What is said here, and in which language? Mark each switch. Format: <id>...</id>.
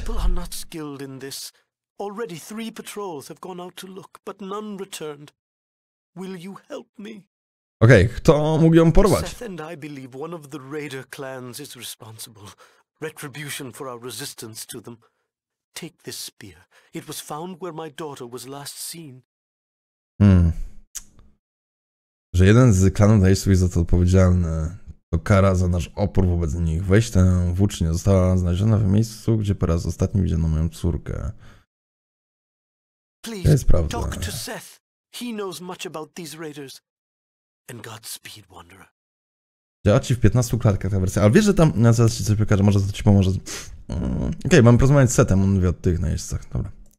<en>People are not skilled in this. Already 3 patrols have gone out to look, but none returned. Will you help me?</en> <pl>Okej, kto mógł ją porwać?</pl> <en>Seth and I believe one of the Raider clans is responsible. Retribution for our resistance to them. Take this spear. It was found where my daughter was last seen.</en> <pl>Że jeden z klanów Najstów jest za to odpowiedzialny. To kara za nasz opór wobec nich. Weź tę włócznię. Została znaleziona w miejscu, gdzie po raz ostatni widziano moją córkę. To jest prawda.</pl> <en>Talk to Seth. He knows much about these raiders. And Godspeed, Wanderer.</en> <pl>Działa ci w 15 klatkach ta wersja. Ale wiesz, że tam... Ja zaraz ci coś pokażę. Może to ci pomoże. Okej, mam porozmawiać z Sethem. On mówi o tych Najstwach. Dobra.</pl>